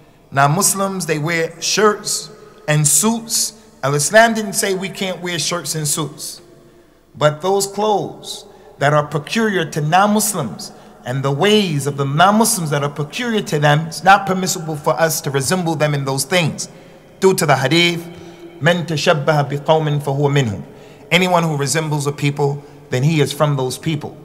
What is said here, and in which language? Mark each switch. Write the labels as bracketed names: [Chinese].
[English] Now Muslims, they wear shirts and suits. Al-Islam didn't say we can't wear shirts and suits. But those clothes that are peculiar to non-Muslims and the ways of the non-Muslims that are peculiar to them, it's not permissible for us to resemble them in those things. Due to the hadith, [Arabic] من تشبه بقوم فهو منهم. [English] Anyone who resembles a people, then he is from those people.